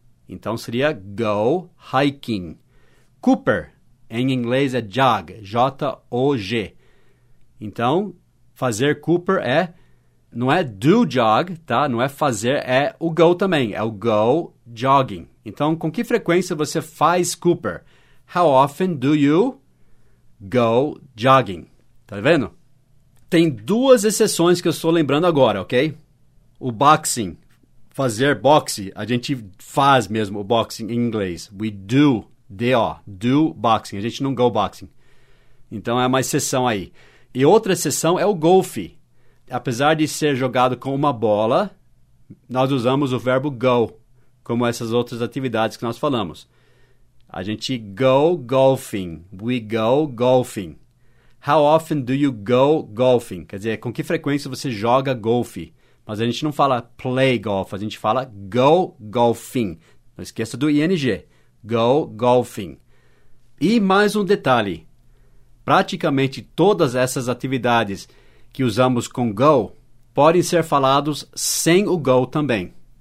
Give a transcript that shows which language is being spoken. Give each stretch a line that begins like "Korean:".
Portuguese: Então, seria
English: go hiking.
Portuguese: Cooper, em inglês, é jog, J-O-G. Então, fazer Cooper é, não é do jog, tá? Não é fazer, é o go também, é o
English: go jogging.
Portuguese: Então, com que frequência você faz Cooper?
English: How often do you go jogging?
Portuguese: Tá vendo? Tem duas exceções que eu estou lembrando agora, ok? O boxing, fazer boxe, a gente faz mesmo o boxing em inglês.
English: We do, D-O, do boxing,
Portuguese: a gente não
English: go boxing.
Portuguese: Então, é uma exceção aí. E outra exceção é o golfe. Apesar de ser jogado com uma bola, nós usamos o verbo go, como essas outras atividades que nós falamos. A gente
English: go golfing, we go golfing. How often do you go golfing?
Portuguese: Quer dizer, com que frequência você joga golfe? Mas a gente não fala
English: play golf,
Portuguese: a gente fala
English: go golfing.
Portuguese: Não esqueça do ing,
English: go golfing.
Portuguese: E mais um detalhe. Praticamente todas essas atividades que usamos com go podem ser falados sem o go também.